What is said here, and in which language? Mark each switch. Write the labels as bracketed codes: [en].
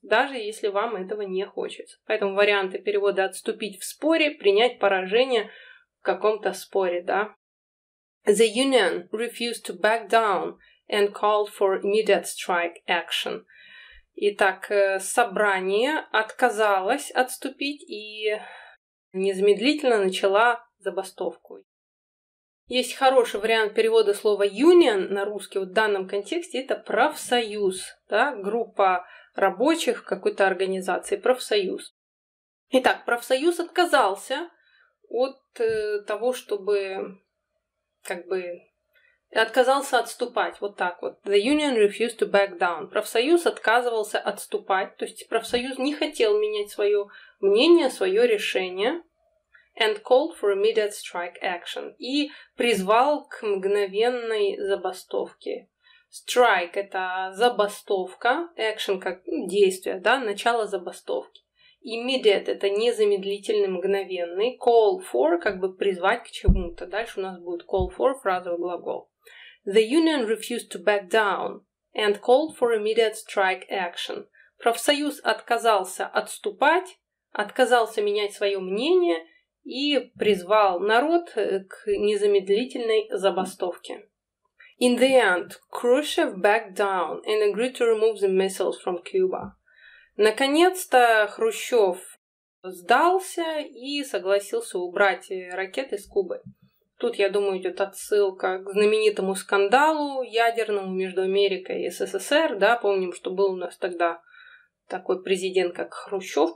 [ru] Даже если вам этого не хочется. Поэтому варианты перевода отступить в споре, принять поражение в каком-то споре, да. [en] The union refused to back down and called for immediate strike action. [ru] Итак, собрание отказалось отступить и незамедлительно начала забастовку. Есть хороший вариант перевода слова union на русский вот в данном контексте. Это профсоюз, да, группа рабочих какой-то организации, профсоюз. Итак, профсоюз отказался от того, чтобы как бы отказался отступать, вот так вот. [en] The union refused to back down. [ru] Профсоюз отказывался отступать, то есть профсоюз не хотел менять свое мнение, свое решение. [en] And called for immediate strike action. [ru] И призвал к мгновенной забастовке. Strike – это забастовка. Action – как действие, да, начало забастовки. Immediate – это незамедлительный, мгновенный. Call for – как бы призвать к чему-то. Дальше у нас будет call for – фразовый глагол. [en] The union refused to back down and called for immediate strike action. [ru] Профсоюз отказался отступать, отказался менять свое мнение – и призвал народ к незамедлительной забастовке. [en] In the end, Khrushchev backed down and agreed to remove the missiles from Cuba. [ru] Наконец-то Хрущев сдался и согласился убрать ракеты с Кубы. Тут, я думаю, идет отсылка к знаменитому скандалу ядерному между Америкой и СССР. Да, помним, что был у нас тогда такой президент, как Хрущев.